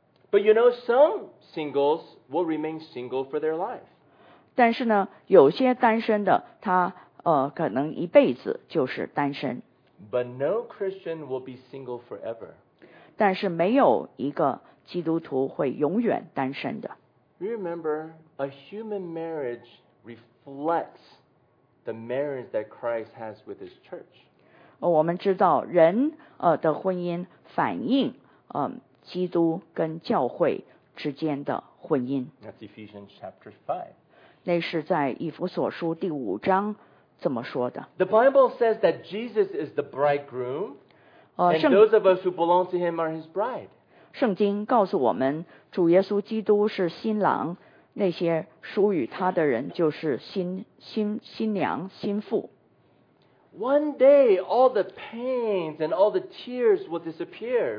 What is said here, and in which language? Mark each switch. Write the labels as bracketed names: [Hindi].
[English] But you know, some singles will remain single for their life. [Chinese] 但是呢，有些单身的他可能一辈子就是单身。 [English] But no Christian will be single forever. [Chinese] 但是没有一个基督徒会永远单身的。 [English] Remember, a human marriage reflects the marriage that Christ has with his church. [Chinese] 我们知道人的婚姻反映基督跟教会之间的婚姻。 [English] That's Ephesians chapter 5. [Chinese] 那是在以弗所书第五章这么说的。 [English] The Bible says that Jesus is the bridegroom, and those of us who belong to him are his bride. [Chinese] 圣经告诉我们主耶稣基督是新郎，那些属于他的人就是新娘、新妇。 [English] One day, all the pains and all the tears will disappear.